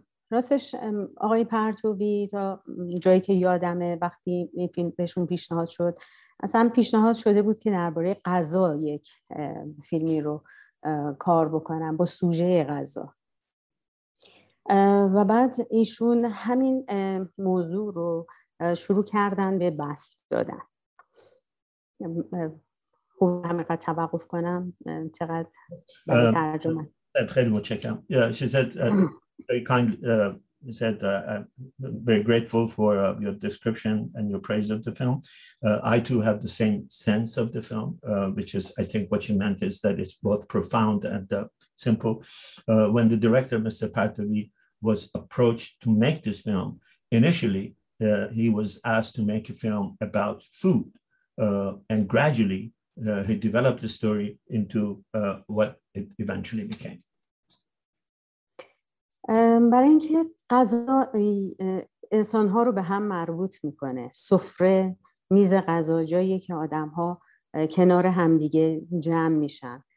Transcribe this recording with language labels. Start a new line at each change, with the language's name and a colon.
Persian: راستش آقای پرتوی تا جایی که یادمه وقتی فیلم بهشون پیشنهاد شد، اصلا پیشنهاد شده بود که درباره غذا یک فیلمی رو کار بکنم با سوژه غذا، و بعد ایشون همین موضوع رو شروع کردن به بست دادن. خوب همینقدر توقف کنم چقدر ترجمه. خیلی متشکرم.
English: Yeah, she said very kind. Said I'm very grateful for your description and your praise of the film. I too have the same sense of the film, which is, I think what she meant is that it's both profound and simple. When the director, Mr. Partovi, was approached to make this film, initially he was asked to make a film about food, and gradually he developed the story into what it eventually became.
Persian: برای اینکه غذا انسان‌ها رو به هم مربوط می‌کنه، سفره، میز غذا، جایی که آدم‌ها کنار همدیگه جمع میشن.